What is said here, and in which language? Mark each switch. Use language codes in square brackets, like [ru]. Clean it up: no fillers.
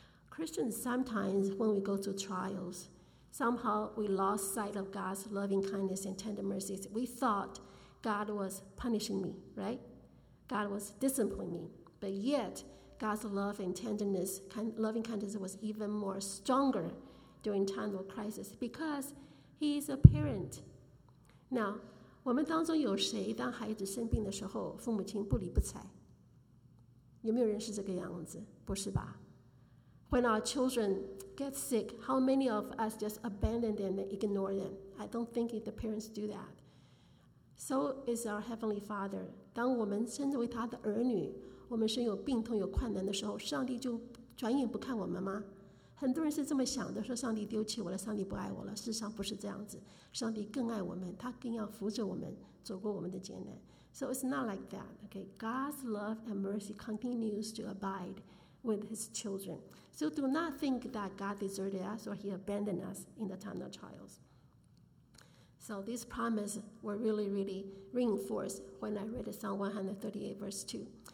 [en] Christians, sometimes when we go through trials, somehow we lost sight of God's loving kindness and tender mercies. We thought God was punishing me, right? God was disciplining me. But yet, God's love and tenderness, loving kindness was even more stronger during times of crisis because He is a parent. Now, [zh] 我们当中有谁当孩子生病的时候, 父母亲不理不睬? 有没有人是这个样子?不是吧? [en] When our children get sick, how many of us just abandon them and ignore them? I don't think the parents do that. So is our Heavenly Father. [zh] 当我们称之为他的儿女, 我们身有病痛有困难的时候, 上帝就转眼不看我们吗? 很多人是这么想的, 说上帝丢弃我了, 上帝不爱我了, 事实上不是这样子, 上帝更爱我们, 他更要扶着我们, 走过我们的艰难。 [en] So it's not like that. Okay, God's love and mercy continues to abide with His children. So do not think that God deserted us or He abandoned us in the time of trials. So these promises were really, really reinforced when I read Psalm 138, verse 2.